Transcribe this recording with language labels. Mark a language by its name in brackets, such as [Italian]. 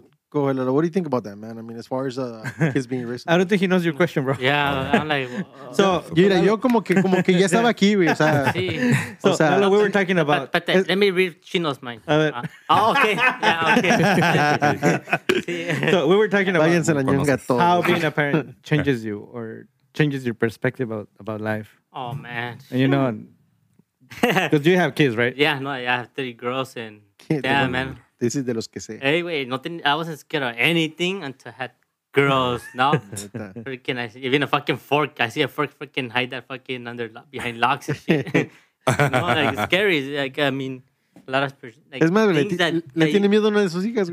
[English] Go ahead, what do you think about that, man? I mean, as far as kids being racist. I don't think he knows your question, bro. Yeah, I'm like... [Spanish] So, mira, yo como que ya estaba aquí, güey. O sea... Sí. O sea, no, [English] we were talking about... But let me read Chino's mind. [Spanish] A ver. [English] Okay. Yeah, okay. So, we were talking about... [Spanish] Váyanse la ñonga todo. [English] How being a parent changes you or changes your perspective about life. Oh, man. And you know... Because you have kids, right? Yeah, no, I have three girls and... Yeah, man. This is [Spanish] de los que sé. [English] Hey, wait, nothing. I wasn't scared of anything until I had girls. No, freaking, even a fucking fork. I see a fork, freaking hide that fucking under behind locks and shit. No, like scary. Like I mean, a lot of like. [Spanish] Es más, le tiene miedo a una de sus hijas.